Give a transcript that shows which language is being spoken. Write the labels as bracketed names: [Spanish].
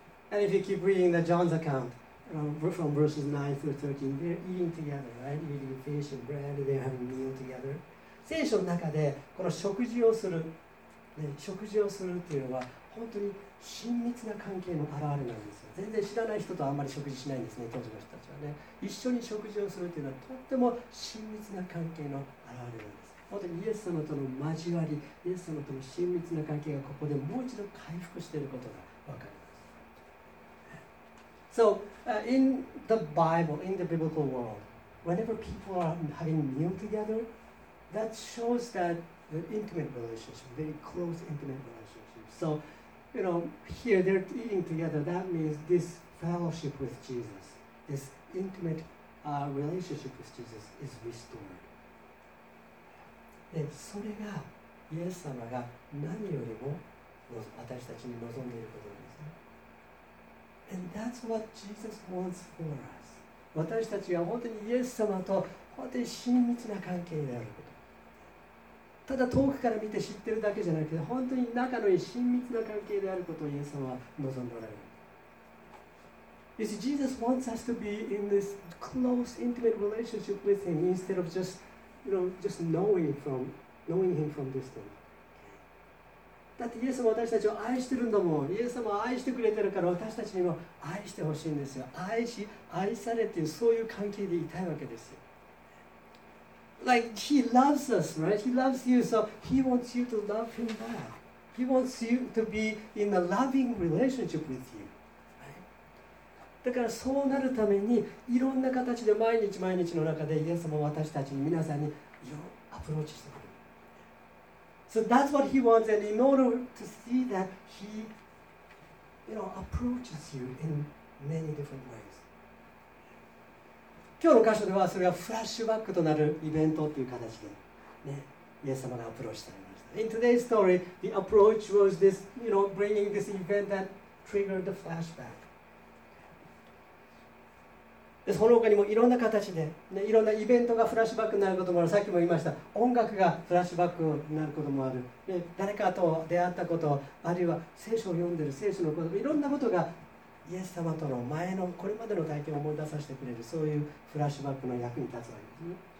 [English] And if you keep reading the John's account, from verses 9 through 13, they're eating together, right? Eating fish and bread, they're having a meal together. [Japanese] 聖書の中でこの食事をする、ね、食事をするっていうのは本当に親密な関係の表れなんですよ。全然知らない人とあんまり食事しないんですね、当時の人たちはね。一緒に食事をするっていうのはとっても親密な関係の表れなんです。本当にイエス様との交わり、イエス様との親密な関係がここでもう一度回復していることがわかる。 [English] So, in the Bible, in the biblical world, whenever people are having meal together, that shows that the intimate relationship, very close intimate relationship. So, you know, here they're eating together, that means this fellowship with Jesus, this intimate relationship with Jesus is restored. [Japanese] And それがイエス様が何よりも私たちに望んでいることです。 [English] And that's what Jesus wants for us. [Japanese] 私たちが本当にイエス様と本当に親密な関係であること。ただ遠くから見て知ってるだけじゃなくて、本当に仲のいい親密な関係であることをイエス様は望んでおられる。 [English] You see, Jesus wants us to be in this close, intimate relationship with Him instead of just, you know, just knowing Him from distance. [Japanese] だってイエス様は私たちを愛してるんだもん。イエス様は愛してくれてるから私たちにも愛してほしいんですよ。愛し愛されっていう、そういう関係でいたいわけですよ。 [English] Like He loves us, right? He loves you, so He wants you to love Him back. He wants you to be in a loving relationship with you、right? [Japanese] だからそうなるためにいろんな形で毎日毎日の中でイエス様は私たちに、皆さんにいろいろアプローチしてくれる。 [English] So that's what he wants, and in order to see that, he, you know, approaches you in many different ways. [Japanese] 今日の箇所ではそれがフラッシュバックとなるイベントという形で、ね、イエス様がアプローチされました。 [English] In today's story, the approach was this, you know, bringing this event that triggered the flashback. [Japanese] でその他にもいろんな形で、ね、いろんなイベントがフラッシュバックになることもある。さっきも言いました、音楽がフラッシュバックになることもある、ね、誰かと出会ったこと、あるいは聖書を読んでる聖書のこと、いろんなことがイエス様との前のこれまでの体験を思い出させてくれる、そういうフラッシュバックの役に立つわけですね。